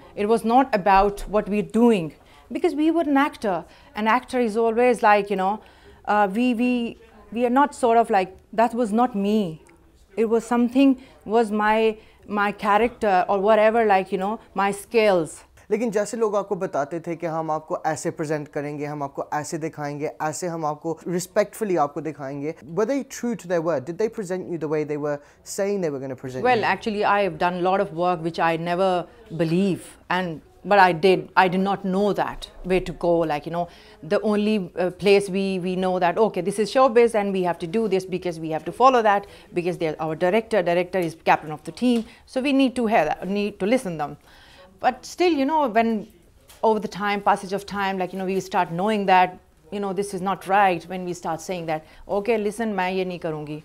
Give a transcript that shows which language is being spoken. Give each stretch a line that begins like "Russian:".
English: It was not about what we're doing. Because we were an actor. An actor is always like, you know, we are not sort of like that was not me. It was something was my character or whatever, like, you know, my skills.
Hindi: लेकिन जैसे लोग आपको बताते थे कि हम आपको ऐसे प्रेजेंट करेंगे हम आपको ऐसे दिखाएंगे ऐसे हम आपको रिस्पेक्टफुली आपको दिखाएंगे
English: were they true to their word did they present you the way they were saying they were going to present well you? Actually I have done a lot of work which I never believe and but I did not know that where to go like you know the only place we know that okay this is showbiz and we have to do this because we have to follow that because they're our director is captain of the team so we need to hear that need to listen them But still, you know, when over the time, passage of time, like, you know, we start knowing that, you know, this is not right when we start saying that, okay, listen,
Hindi: main ye nahi karungi.